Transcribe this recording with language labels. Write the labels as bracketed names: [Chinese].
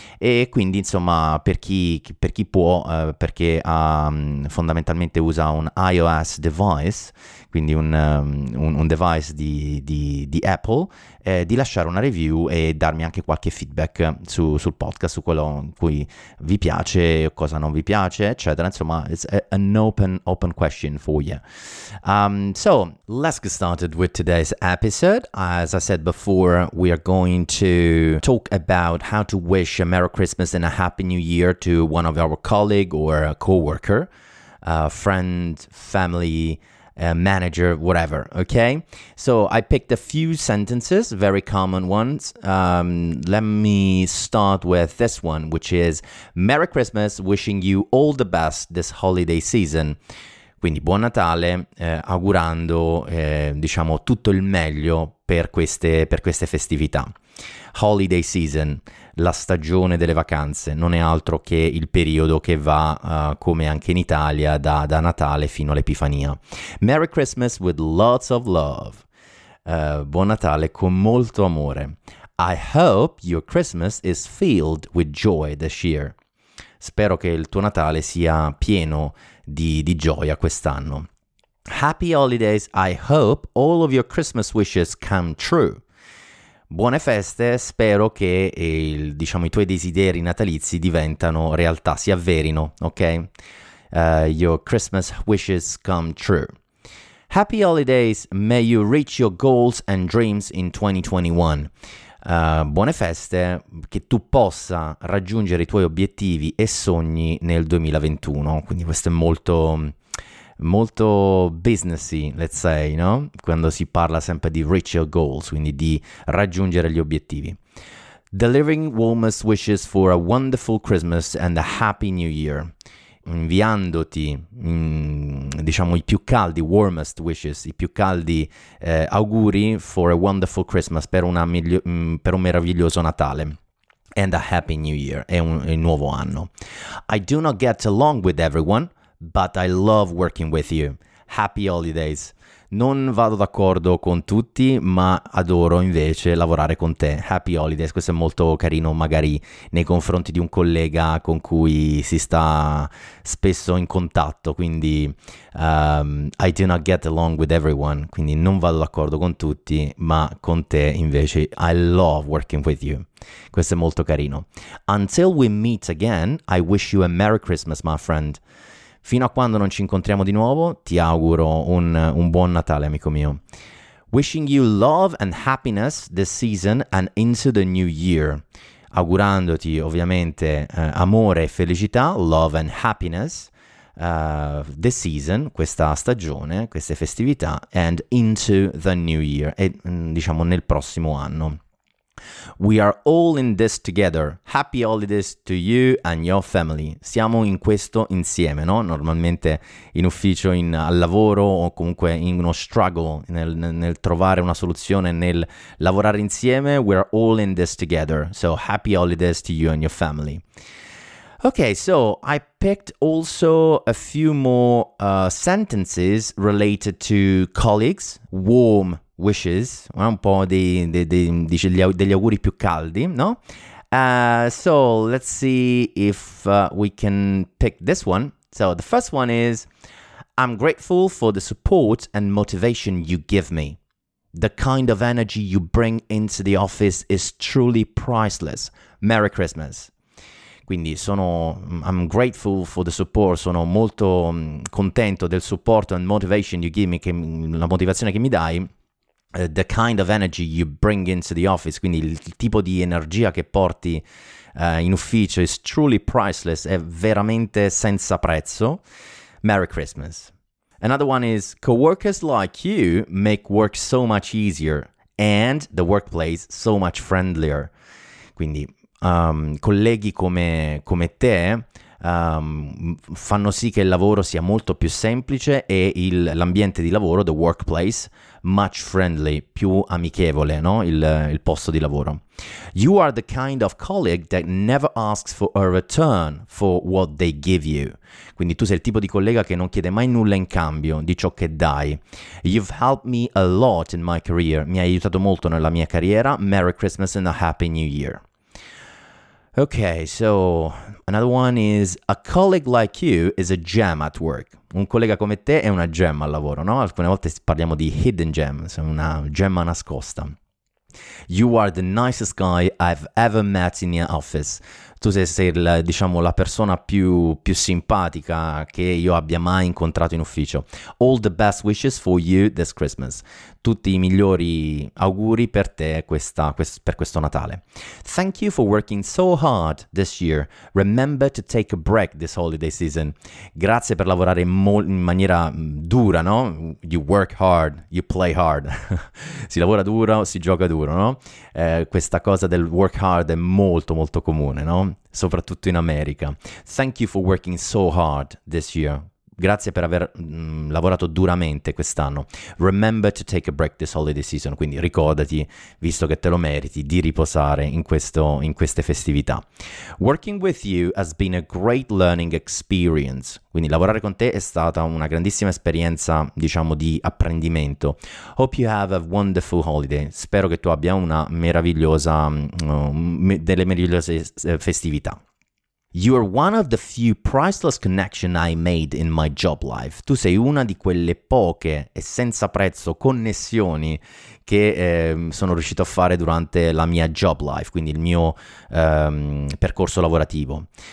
[Italian] E quindi insomma per chi può, perché fondamentalmente usa un iOS device, quindi un device di Apple, di lasciare una review e darmi anche qualche feedback sul podcast, su quello in cui vi piace o cosa non vi piace, eccetera. [English] Insomma, it's an open question for you. So let's get started with today's episode. As I said before, we are going to talk about how to wish a Merry Christmas and a Happy New Year to one of our colleague or a co-worker, a friend, family, manager, whatever. Okay, so I picked a few sentences, very common ones. Let me start with this one, which is Merry Christmas, wishing you all the best this holiday season. [Italian] Quindi Buon Natale, augurando diciamo tutto il meglio per queste festività. Holiday season, la stagione delle vacanze, non è altro che il periodo che va, come anche in Italia, da Natale fino all'Epifania. [English] Merry Christmas with lots of love. [Italian] Buon Natale con molto amore. [English] I hope your Christmas is filled with joy this year. [Italian] Spero che il tuo Natale sia pieno di gioia quest'anno. [English] Happy holidays. I hope all of your Christmas wishes come true. [Italian] Buone feste, spero che i tuoi desideri natalizi diventano realtà, si avverino, ok? [English] Your Christmas wishes come true. Happy holidays, may you reach your goals and dreams in 2021. [Italian] Buone feste, che tu possa raggiungere i tuoi obiettivi e sogni nel 2021. Quindi questo è molto, molto businessy, [English] let's say, [Italian] no? Quando si parla sempre di [English] reach your goals, [Italian] quindi di raggiungere gli obiettivi. [English] Delivering warmest wishes for a wonderful Christmas and a happy new year. [Italian] Inviandoti, diciamo, i più caldi, [English] warmest wishes, [Italian] i più caldi auguri [English] for a wonderful Christmas, [Italian] per un meraviglioso Natale. [English] And a happy new year, [Italian] è un nuovo anno. [English] I do not get along with everyone, but I love working with you. Happy holidays. [Italian] Non vado d'accordo con tutti, ma adoro invece lavorare con te. [English] Happy holidays, [Italian] questo è molto carino magari nei confronti di un collega con cui si sta spesso in contatto, quindi [English] I do not get along with everyone, [Italian] quindi non vado d'accordo con tutti, ma con te invece [English] I love working with you. [Italian] Questo è molto carino. [English] Until we meet again, I wish you a Merry Christmas, my friend. [Italian] Fino a quando non ci incontriamo di nuovo, ti auguro un buon Natale, amico mio. [English] Wishing you love and happiness this season and into the new year. [Italian] Augurandoti, ovviamente, amore e felicità, [English] love and happiness, this season, [Italian] questa stagione, queste festività, [English] and into the new year, [Italian] e diciamo nel prossimo anno. [English] We are all in this together. Happy holidays to you and your family. [Italian] Siamo in questo insieme, no? Normalmente in ufficio, al lavoro o comunque in uno struggle nel trovare una soluzione, nel lavorare insieme. [English] We are all in this together. So happy holidays to you and your family. Okay, so I picked also a few more sentences related to colleagues. Warm wishes, [Italian] un po' degli auguri più caldi, no? [English] So let's see if we can pick this one. So the first one is, I'm grateful for the support and motivation you give me. The kind of energy you bring into the office is truly priceless. Merry Christmas. [Italian] Quindi [English] I'm grateful for the support, [Italian] sono molto contento del supporto [English] and motivation you give me, [Italian] la motivazione che mi dai. [English] The kind of energy you bring into the office, [Italian] quindi il tipo di energia che porti in ufficio [English] is truly priceless, [Italian] è veramente senza prezzo. [English] Merry Christmas. Another one is, coworkers like you make work so much easier and the workplace so much friendlier. [Italian] Quindi colleghi come te fanno sì che il lavoro sia molto più semplice e l'ambiente di lavoro, [English] the workplace, much friendly, [Italian] più amichevole, no? Il posto di lavoro. [English] You are the kind of colleague that never asks for a return for what they give you. [Italian] Quindi tu sei il tipo di collega che non chiede mai nulla in cambio di ciò che dai. [English] You've helped me a lot in my career. [Italian] Mi hai aiutato molto nella mia carriera. [English] Merry Christmas and a Happy New Year. Okay, so another one is, a colleague like you is a gem at work. [Italian] Un collega come te è una gemma al lavoro, no? Alcune volte parliamo di [English] hidden gems, [Italian] una gemma nascosta. [English] You are the nicest guy I've ever met in the office. [Italian] Tu sei la persona più simpatica che io abbia mai incontrato in ufficio. [English] All the best wishes for you this Christmas. [Italian] Tutti i migliori auguri per te per questo Natale. [English] Thank you for working so hard this year. Remember to take a break this holiday season. [Italian] Grazie per lavorare in maniera dura, no? [English] You work hard, you play hard. [Italian] Si lavora duro, si gioca duro, no? Questa cosa del [English] work hard [Italian] è molto molto comune, no? Soprattutto in America. [English] Thank you for working so hard this year. [Italian] Grazie per aver lavorato duramente quest'anno. [English] Remember to take a break this holiday season. [Italian] Quindi ricordati, visto che te lo meriti, di riposare in queste festività. [English] Working with you has been a great learning experience. [Italian] Quindi lavorare con te è stata una grandissima esperienza, diciamo, di apprendimento. [English] Hope you have a wonderful holiday. [Italian] Spero che tu abbia una meravigliosa, delle meravigliose festività. [English] You are one of the few priceless connections I made in my job life. [Italian] Tu sei una di quelle poche e senza prezzo connessioni che sono riuscito a fare durante la mia [English] job life, [Italian] quindi il mio percorso lavorativo.